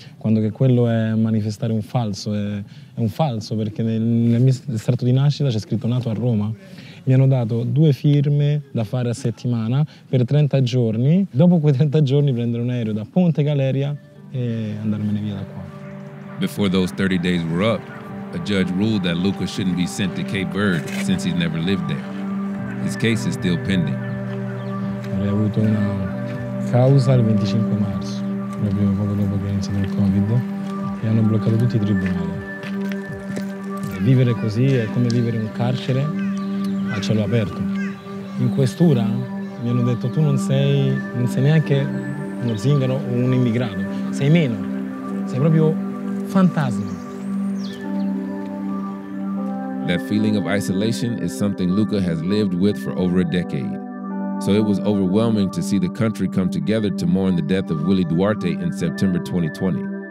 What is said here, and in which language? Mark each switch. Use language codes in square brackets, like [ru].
[it] Quando che quello è manifestare un falso, è un falso perché nel mio estratto di nascita c'è scritto nato a Roma. Mi hanno dato 2 firme da fare a settimana per 30 giorni. Dopo quei 30 giorni prendere un aereo da Ponte Galeria e andarmene via da qua. [en] Before those 30 days were up, a judge ruled that Luca shouldn't be sent to Cape Verde since he's never lived there. His case is still pending. [it] Avrei avuto una causa il 25 marzo, proprio poco dopo che è iniziato il Covid, e hanno bloccato tutti i tribunali. E vivere così è come vivere in carcere a cielo aperto. In questura mi hanno detto tu non sei neanche uno zingaro o un immigrato, sei meno, sei proprio fantasma. [en] That feeling of isolation is something Luca has lived with for over a decade. So it was overwhelming to see the country come together to mourn the death of Willie Duarte in September 2020.